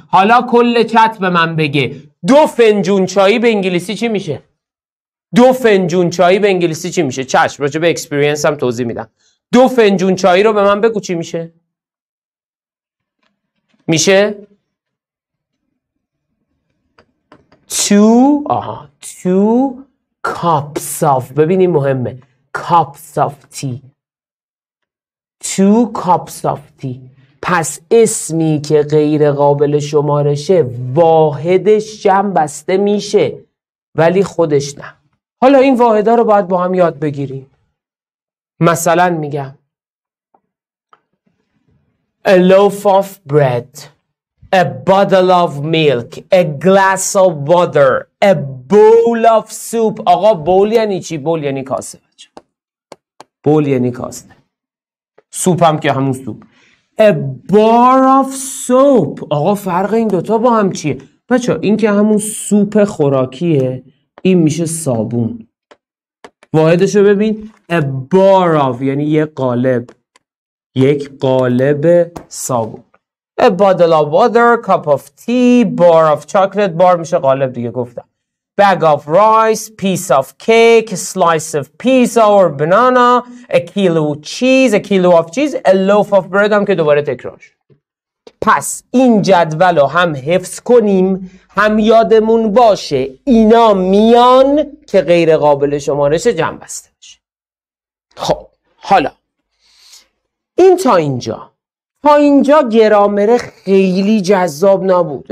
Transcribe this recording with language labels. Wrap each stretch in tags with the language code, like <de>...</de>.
<fa>حالا کل چت به من بگه دو فنجون چایی به انگلیسی چی میشه؟ دو فنجون چایی به انگلیسی چی میشه؟ چشم، راجع به اکسپریانس هم توضیح میدم. دو فنجون چایی رو به من بگو چی میشه؟ میشه؟</fa> <en>two cups of. ببینی مهمه، cups of tea. two cups of tea.</en> <fa>پس اسمی که غیر قابل شمارشه واحدش جمع بسته میشه ولی خودش نه. حالا این واحدها رو باید با هم یاد بگیریم. مثلا میگم</fa> <en>a loaf of bread, a bottle of milk, a glass of water, a bowl of soup.</en> <fa>آقا بول یعنی چی؟ بول یعنی کاسه بچه، بول یعنی کاسه، سوپ هم که همون سوپ.</fa> <en>a bar of soap.</en> <fa>آقا فرق این دوتا با هم چیه بچه؟ این که همون سوپ خوراکیه، این میشه صابون. واحدشو ببین، a bar of یعنی یه قالب، یک قالب صابون.</fa> <en>a bottle of water, cup of tea, bar of chocolate.</en> <fa>bar میشه قالب دیگه، گفتم.</fa> <en>bag of rice, piece of cake, slice of pizza or banana, a kilo of cheese, a kilo of cheese, a loaf of bread.</en> <fa>هم که دوباره تکرارش. پس این جدول رو هم حفظ کنیم، هم یادمون باشه اینا میان که غیر قابل شمارش جمع بسته بشه. خب حالا این تا اینجا، تا اینجا گرامره خیلی جذاب نبود.</fa>